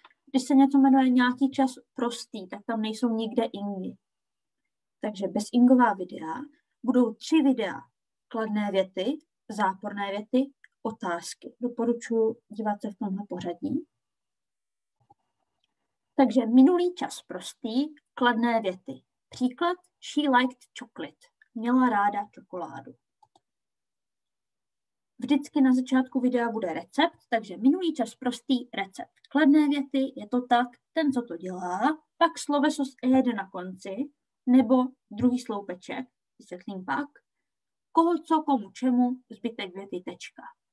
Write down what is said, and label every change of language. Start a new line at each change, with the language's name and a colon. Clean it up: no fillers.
Czech: Když se něco jmenuje nějaký čas prostý, tak tam nejsou nikde ingy. Takže bezingová videa budou tři videa. Kladné věty, záporné věty, otázky. Doporučuji dívat se v tomhle pořadí. Takže minulý čas prostý, kladné věty. Příklad:
English: She liked chocolate.
Czech: Měla ráda čokoládu. Vždycky na začátku videa bude recept, takže minulý čas prostý recept. Kladné věty, je to tak, ten, co to dělá, pak sloveso s ed na konci, nebo druhý sloupeček, vysvětlím pak, koho, co, komu, čemu, zbytek věty, tečka.